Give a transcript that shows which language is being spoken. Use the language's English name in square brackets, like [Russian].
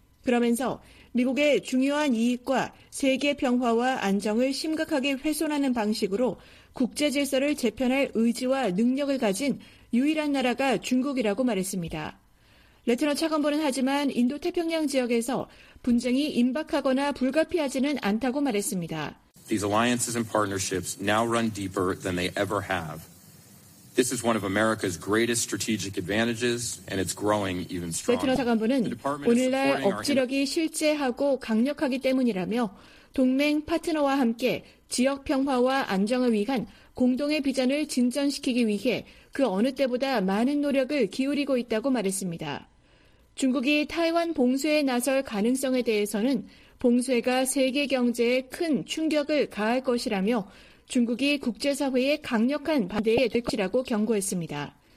[Korean] 그러면서 미국의 중요한 이익과 세계 평화와 안정을 심각하게 훼손하는 방식으로 국제 질서를 재편할 의지와 능력을 가진 유일한 나라가 중국이라고 말했습니다. 레트너 차관보는 하지만 인도태평양 지역에서 분쟁이 임박하거나 불가피하지는 않다고 말했습니다. [English] These alliances and partnerships now run deeper than they ever have. This is one of America's greatest strategic advantages, and it's growing even stronger. [Korean] 레트너 차관보는 오늘날 억지력이 실제하고 강력하기 때문이라며 동맹 파트너와 함께 지역 평화와 안정을 위한 공동의 비전을 진전시키기 위해 그 어느 때보다 많은 노력을 기울이고 있다고 말했습니다. 중국이 타이완 봉쇄에 나설 가능성에 대해서는 봉쇄가 세계 경제에 큰 충격을 가할 것이라며 중국이 국제사회의 강력한 반대에 될 것이라고 경고했습니다.